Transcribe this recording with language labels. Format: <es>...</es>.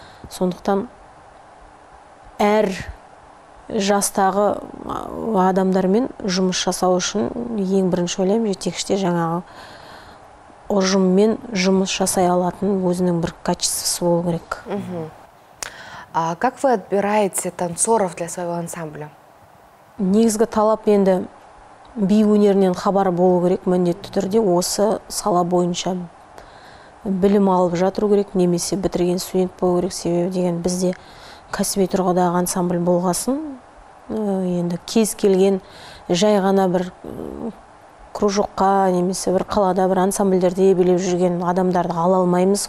<kk>Сондықтан әр жастағы адамдармен жұмыс жасау үшін ең бірінші ойлаймын, жетекшіде жаңағы ұжыммен жұмыс жасай алатын өзінің бір качествосы болу керек.</kk> <ru>А как вы отбираете танцоров для своего ансамбля?</ru> <kk>Негізгі талап енді би өнерінен хабар болу керек, міндетті түрде осы сала бойынша білім алып жатыру керек, немесе бітірген студент болу керек. Себебі деген бізде кәсіби тұрғыдағы ансамбль болғасын, енді кез келген жай ғана бір кружоққа немесе бір қалада бір ансамбльдерде билеп жүрген адамдарды ала алмаймыз.</kk>